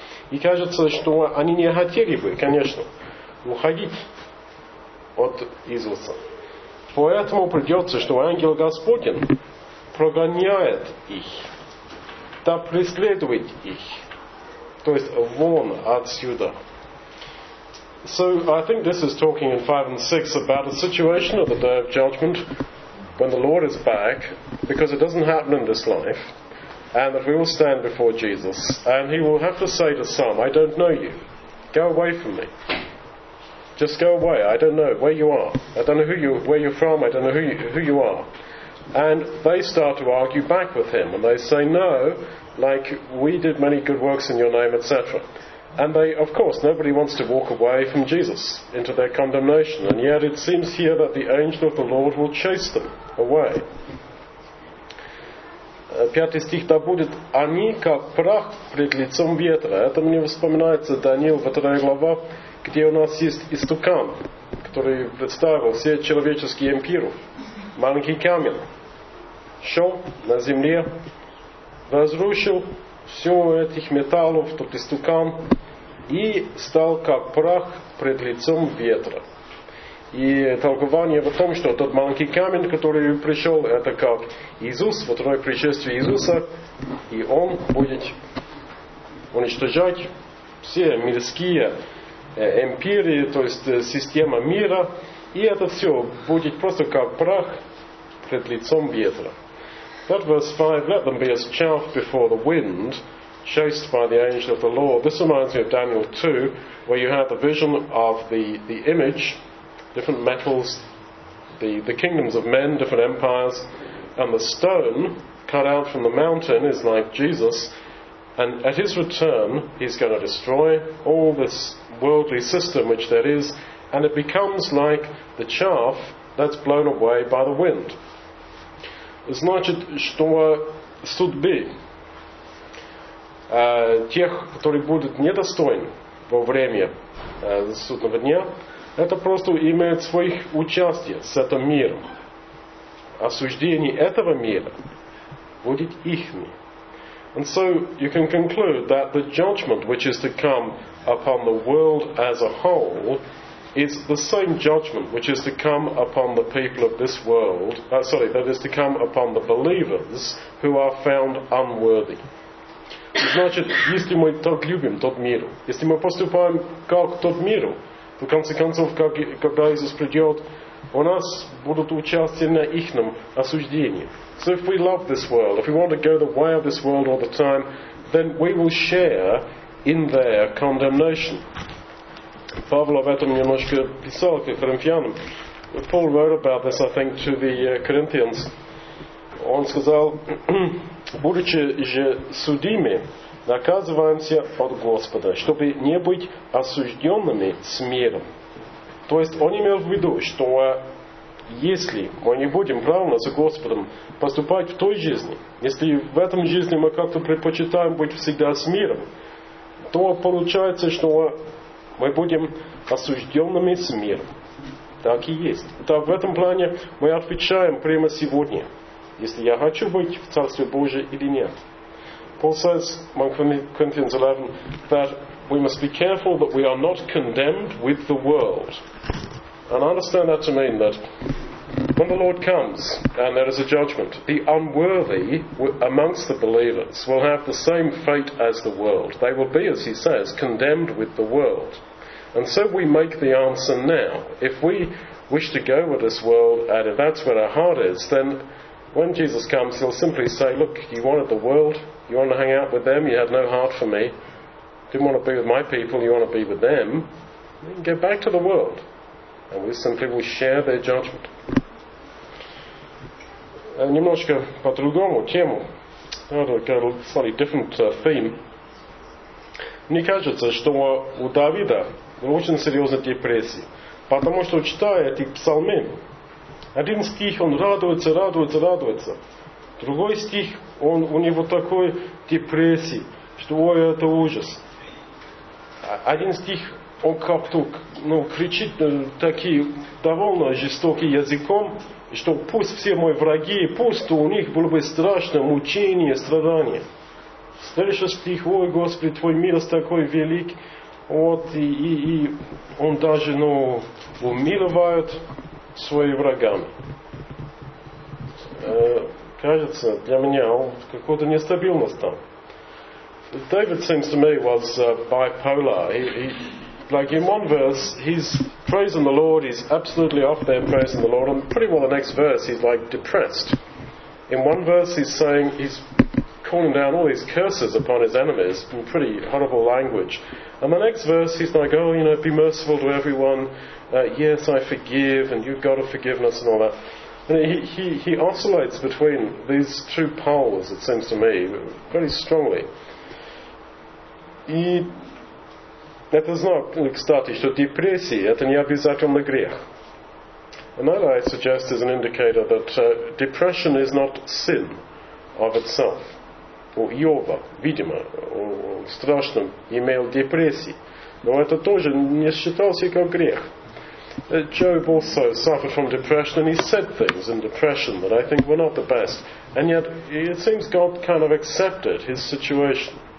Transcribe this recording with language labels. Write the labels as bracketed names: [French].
[Russian] И кажется, что они не хотели бы, конечно, уходить от Иисуса. Поэтому придется, что ангел Господень прогоняет их, да преследует их. То есть вон отсюда. [English] So I think this is talking in 5 and 6 about the situation of the Day of Judgment when the Lord is back, because it doesn't happen in this life, and that we will stand before Jesus, and he will have to say to some, "I don't know you. Go away from me. Just go away. I don't know where you are. I don't know where you're from. I don't know who you are. And they start to argue back with him, and they say, "No, like we did many good works in your name, etc." And they, of course, nobody wants to walk away from Jesus into their condemnation. And yet it seems here that the angel of the Lord will chase them away. [Russian] Пятый стих, да будет они как прах пред лицом ветра. Это мне вспоминается Даниил, вторая глава, где у нас есть истукан, который представил все человеческие эмпиры. Маленький камень. Шел на земле, разрушил все этих металлов, тот истукан, и стал как прах пред лицом ветра. И толкование в том, что тот маленький камень, который пришел, это как Иисус, вот второе пришествие Иисуса, и он будет уничтожать все мирские империи, то есть система мира, и это все будет просто как прах пред лицом ветра. [English] That verse 5, let them be as chaff before the wind, chased by the angel of the Lord. This reminds me of Daniel 2, where you have the vision of the image, different metals, the kingdoms of men, different empires, and the stone cut out from the mountain is like Jesus, and at his return he's going to destroy all this worldly system which there is, and it becomes like the chaff that's blown away by the wind. [Russian] Значит, что судьбы тех, которые будут недостойны во время судного дня, это просто имеет своих участие с этим миром. Осуждение этого мира будет ихми. [English] And so you can conclude that the judgment which is to come upon the world as a whole is the same judgment which is to come upon the people of this world, that is to come upon the believers who are found unworthy. [Russian] Значит, если мы так любим тот мир, если мы поступаем как тот мир, в конце концов, когда Иисус придет, у нас будут участие на их осуждении. [English] So if we love this world, if we want to go the way of this world all the time, then we will share in their condemnation. [Russian] Павел об этом немножко писал к Коринфянам. [English] Paul wrote about this, I think, to the Corinthians. [Russian] Он сказал, будучи же судимы, наказываемся от Господа, чтобы не быть осужденными с миром. То есть он имел в виду, что если мы не будем правильно с Господом поступать в той жизни, если в этом жизни мы как-то предпочитаем быть всегда с миром, то получается, что мы будем осужденными с миром. Так и есть. Так в этом плане мы отвечаем прямо сегодня, если я хочу быть в Царстве Божьем или нет. [English] Paul says, 1 Corinthians 11, that we must be careful that we are not condemned with the world. And I understand that to mean that when the Lord comes and there is a judgment, the unworthy amongst the believers will have the same fate as the world. They will be, as he says, condemned with the world. And so we make the answer now. If we wish to go with this world, and if that's where our heart is, then when Jesus comes, he'll simply say, look, you wanted the world, you want to hang out with them, you had no heart for me, didn't want to be with my people, you want to be with them, then go back to the world. And we simply will share their judgment. [Russian] Немножко по-другому тему. Это [English] slightly different theme. [Russian] Мне кажется, что у Давида очень серьезная депрессия. Потому что, читая эти псалмы, один стих он радуется, радуется, радуется. Другой стих, он у него такой депрессии, что ой, это ужас. Один стих, он как-то кричит такие довольно жестокий языком, что пусть все мои враги, пусть у них было бы страшное мучение, страдание. Следующий стих, ой, Господи, Твой милость такой велик. Вот, и он даже умиливает своим врагам. Кажется, для меня какой-то нестабильность там. [English] David seems to me was bipolar. In one verse, he's praising the Lord, he's absolutely off there praising the Lord, and pretty well the next verse, he's depressed. In one verse, he's calling down all these curses upon his enemies in pretty horrible language. And the next verse, he's be merciful to everyone. Yes, I forgive, and you've got a forgiveness and all that. And he oscillates between these two poles, it seems to me, very strongly. [Russian] И Это знак, кстати, что депрессия – это не обязательно грех. [English] And that, I suggest, is an indicator that depression is not sin of itself. [Russian] У Иова, видимо, он страшно имел депрессии. Но это тоже не считался как грех. [English] Job also suffered from depression, and he said things in depression that I think were not the best. And yet, it seems God kind of accepted his situation.